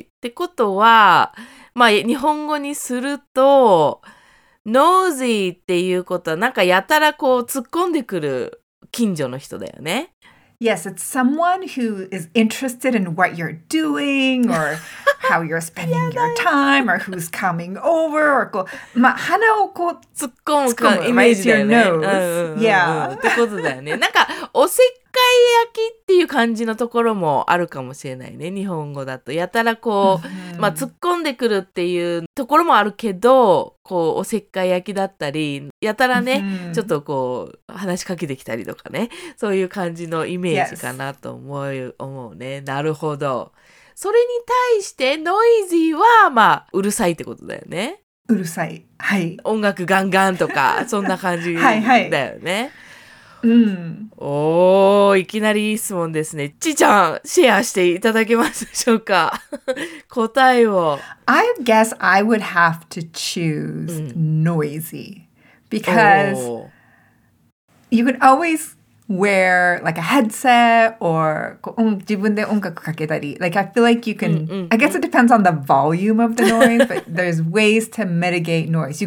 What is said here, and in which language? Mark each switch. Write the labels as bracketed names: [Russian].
[Japanese] ってことは、まあ、日本語にすると、ノーゼーっていうことは、なんかやたらこう突っ込んでくる近所の人だよね。 [English] Yes, it's someone who is interested in what you're doing or how you're spending your time or who's coming over or [Japanese] こう、まあ、鼻をこう突っ込むかイメージだよね。 [English] Yeah. [Japanese] ってことだよね。なんかおせっかい焼きっていう感じのところもあるかもしれないね。日本語だとやたらこう、まあ、突っ込んでくるっていうところもあるけど、こうおせっかい焼きだったり、やたらね、ちょっとこう話しかけてきたりとかね、そういう感じのイメージかなと思うね。なるほど。それに対してノイジーは、まあ、うるさいってことだよね。うるさい。はい。音楽ガンガンとか、そんな感じだよね。はいはい。うん、いきなりいい質問ですね。ちーちゃん、シェアしていただけますでしょうか? 答えを。 [English] I guess I would have to choose noisy. Because you could always wear like a headset or [Japanese] 自分で音楽かけたり。 [English] Like I feel like you can, I guess it depends on the volume of the noise, but there's ways to mitigate noise.